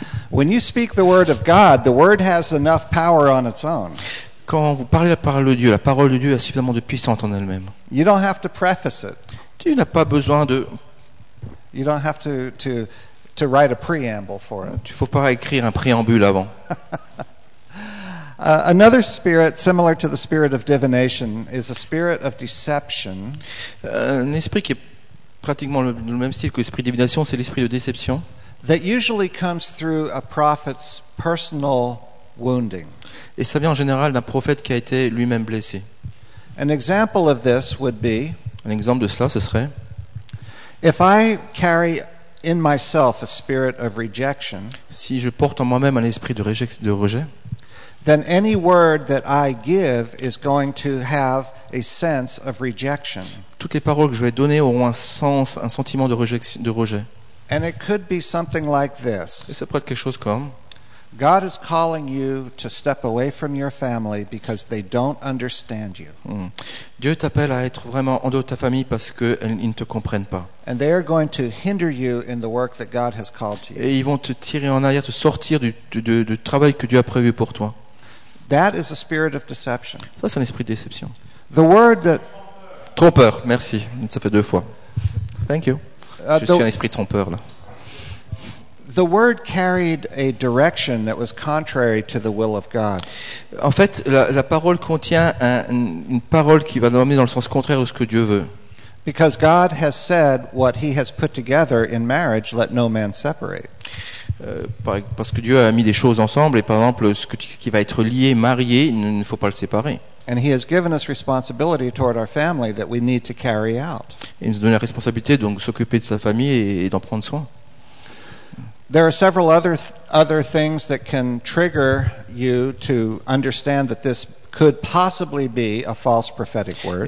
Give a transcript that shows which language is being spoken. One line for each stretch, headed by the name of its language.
English: When you speak the word of God, the word has enough power on its own.
French: Quand vous parlez la parole de Dieu a suffisamment de puissance en elle-même.
English: You don't have to preface it.
French: Tu n'as pas besoin de.
English: You don't have to write a preamble for it.
French: Tu ne faut pas écrire un préambule avant.
English: Another spirit similar to the spirit of divination is a spirit of deception.
French: Un esprit qui est pratiquement le même style que l'esprit de divination, c'est l'esprit de déception.
English: That usually comes through a prophet's personal wounding.
French: Et ça vient en général d'un prophète qui a été lui-même blessé.
English: An example of this would be,
French: un exemple de cela, ce serait
English: if I carry in myself a spirit of rejection,
French: si je porte en moi-même un esprit de rejet,
English: then any word that I give is going to have a sense of rejection.
French: Toutes les paroles que je vais donner auront un sentiment de rejet.
English: And it could be something like this.
French: Et ça pourrait être quelque chose comme
English: God is calling you to step away from your family because they don't understand you.
French: Dieu t'appelle à être vraiment en dehors de ta famille parce qu'ils ne te comprennent pas.
English: And they are going to hinder you in the work that God has called to you.
French: Et ils vont te tirer en arrière, te sortir du travail que Dieu a prévu pour toi.
English: That is a spirit of deception.
French: Ça, c'est un esprit de déception.
English: The word that
French: trompeur. Merci. Ça fait deux fois.
English: Thank you.
French: Je suis un esprit trompeur là.
English: The word carried a direction that was contrary to the will of God.
French: En fait, la parole contient une parole qui va normalement dans le sens contraire de ce que Dieu veut.
English: Because God has said what he has put together in marriage, let no man separate.
French: Parce que Dieu a mis des choses ensemble et par exemple ce qui va être lié, marié, il ne faut pas le séparer.
English: And he has given us responsibility toward our family that we need to carry out.
French: Il nous donne la responsabilité donc s'occuper de sa famille et d'en prendre soin.
English: There are several other things that can trigger you to understand that this could possibly be a false prophetic word.